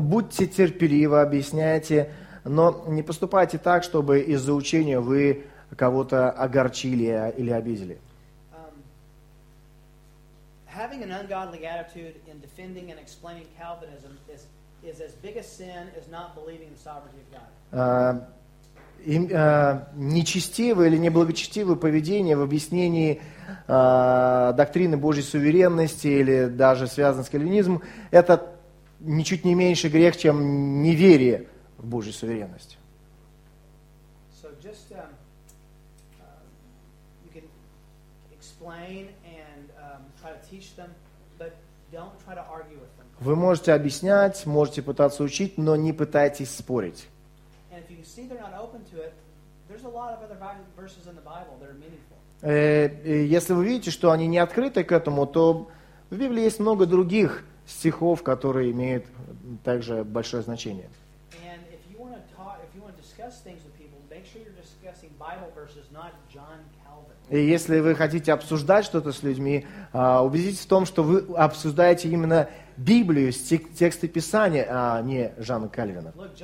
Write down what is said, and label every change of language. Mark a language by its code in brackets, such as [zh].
[ru] Будьте терпеливы, объясняйте, но не поступайте так, чтобы из-за учения вы кого-то огорчили или обидели. [en] Having an ungodly attitude in defending and explaining Calvinism is as big a sin as not believing the sovereignty of God. [ru] Нечестивое или неблагочестивое поведение в объяснении доктрины Божьей суверенности или даже связанной с кальвинизмом, это ничуть не меньше грех, чем неверие в Божью суверенность. [en] So just, you can explain and try to teach them, but don't try to argue with them. [ru] Вы можете объяснять, можете пытаться учить, но не пытайтесь спорить. [en] And if you see they're not open to it, there's a lot of other verses in the Bible that are meaningful. [ru] Если вы видите, что они не открыты к этому, то в Библии есть много других стихов, которые имеют также большое значение. [en] And if you want to talk, if you want to discuss things with people, make sure you're discussing Bible verses, not John Calvin. [ru] И если вы хотите обсуждать что-то с людьми, убедитесь в том, что вы обсуждаете именно Библию, тексты Писания, а не Жана Кальвина.